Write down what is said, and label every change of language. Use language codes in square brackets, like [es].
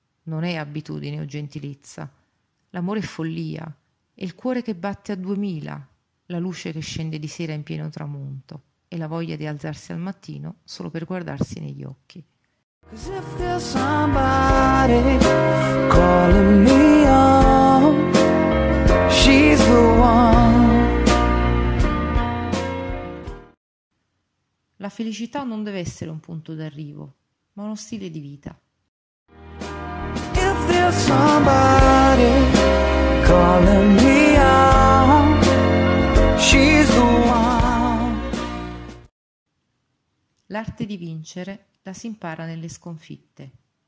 [it] Non è abitudine o gentilezza. L'amore è follia, è il cuore che batte a 2000, la luce che scende di sera in pieno tramonto e la voglia di alzarsi al mattino solo per guardarsi negli occhi. [en] Cause if there's somebody calling me on, she's the one. [it] La felicità non deve essere un punto d'arrivo, ma uno stile di vita. [en] Somebody calling me out, she's the one. [it] L'arte di vincere la si impara nelle sconfitte.